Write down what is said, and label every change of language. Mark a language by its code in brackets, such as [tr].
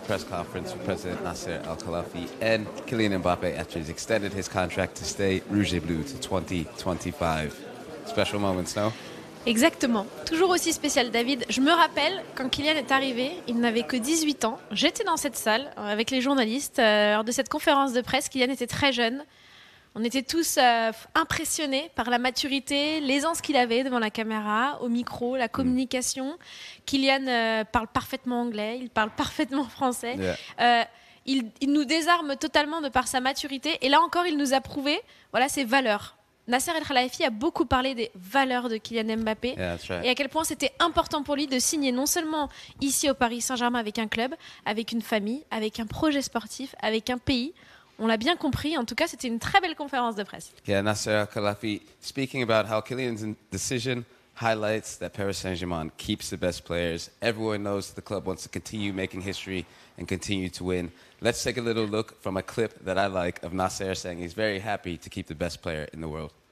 [en] Conference with President Nasser Al-Khelaifi and Kylian Mbappe after he's extended his contract to stay Rouge et Bleu to 2025. Special moments, no? [fr] Exactement. Toujours aussi spécial, David. Je me rappelle quand Kylian est arrivé, il n'avait que 18 ans. J'étais dans cette salle avec les journalistes lors de cette conférence de presse. Kylian était très jeune. On était tous impressionnés par la maturité, l'aisance qu'il avait devant la caméra, au micro, la communication. Kylian parle parfaitement anglais, il parle parfaitement français. [en] Yeah. [fr] Il nous désarme totalement de par sa maturité. Et là encore, il nous a prouvé voilà, ses valeurs. Nasser El-Khelaifi a beaucoup parlé des valeurs de Kylian Mbappé. [en] Yeah, that's right. [fr] Et à quel point c'était important pour lui de signer non seulement ici au Paris Saint-Germain avec un club, avec une famille, avec un projet sportif, avec un pays. On l'a bien compris. En tout cas, c'était une très belle conférence de presse. [en] Yeah, Nasser Al-Khelaifi speaking about how Kylian's decision highlights that Paris Saint-Germain keeps the best players. Everyone knows the club wants to continue making history and continue to win. Let's take a little look from a clip that I like of Nasser saying he's very happy to keep the best player in the world.